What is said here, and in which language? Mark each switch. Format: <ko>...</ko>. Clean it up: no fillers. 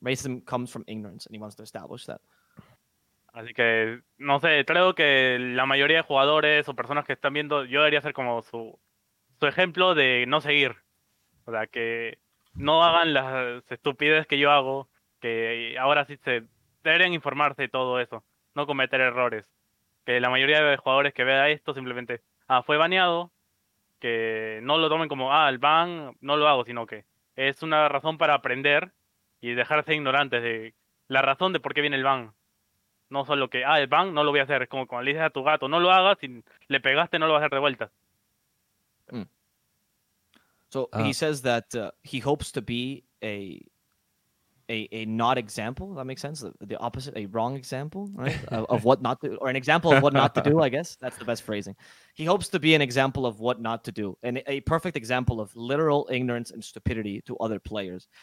<en>Racism comes from ignorance and he wants to establish that.</en> <es>Así que, no sé, creo que la mayoría de jugadores o personas que están viendo, yo debería ser como su ejemplo de no seguir. O sea, que no hagan las estupideces que yo hago, que ahora sí se deberían informarse de todo eso, no cometer errores. Que la mayoría de jugadores que vea esto simplemente, fue baneado, que no lo tomen como, el ban, no lo hago, sino que es una razón para aprender y dejarse ignorantes de la razón de por qué viene el ban. No solo que, el ban, no lo voy a hacer. Es como cuando le dices a tu gato, no lo hagas, si le pegaste, no lo vas a hacer de vuelta.</es> <en>So, he says that he hopes to be a not example, that makes sense? The opposite, a wrong example, right? of what not to, or an example of what not to do, I guess. That's the best phrasing. He hopes to be an example of what not to do, and a perfect example of literal ignorance and stupidity to other players.</en>